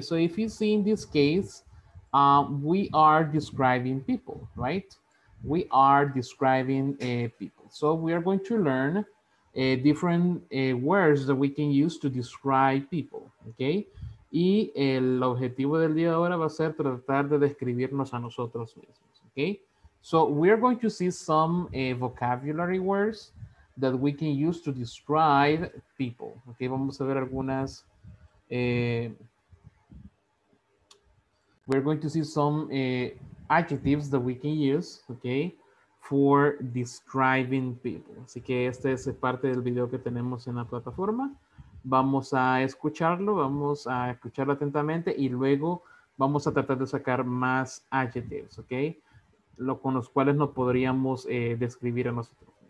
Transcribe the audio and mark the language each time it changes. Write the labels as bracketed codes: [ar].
[en] So if you see in this case, we are describing people, right? We are describing people. So we are going to learn different words that we can use to describe people, okay? [es] Y el objetivo del día de ahora va a ser tratar de describirnos a nosotros mismos, okay? [en] So we are going to see some vocabulary words that we can use to describe people, okay? [es] Vamos a ver algunas [en] we're going to see some adjectives that we can use, okay, for describing people. [es] Así que este es parte del video que tenemos en la plataforma. Vamos a escucharlo, vamos a escucharlo atentamente y luego vamos a tratar de sacar más adjectives, okay, lo con los cuales no podríamos describir a nosotros.